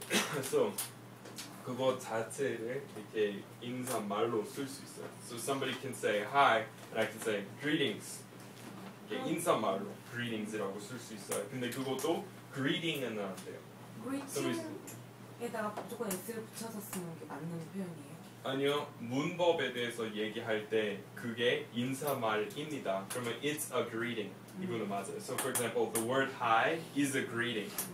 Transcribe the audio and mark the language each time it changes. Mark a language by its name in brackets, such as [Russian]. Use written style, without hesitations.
[Korean] 그래서 그거 자체를 이렇게 인사 말로 쓸 수 있어요. [English] So somebody can say hi, and I can say greetings. [Korean] 인사말로 greetings이라고 쓸 수 있어요. 근데 그것도 greeting은 안 돼요. greeting에다가 무조건 s를 붙여서 쓰는 게 맞는 표현이에요? 아니요. 문법에 대해서 얘기할 때 그게 인사말입니다. 그러면 [English] it's a greeting. [Korean] 이거는 맞아요. [English] So for example, the word hi is a greeting.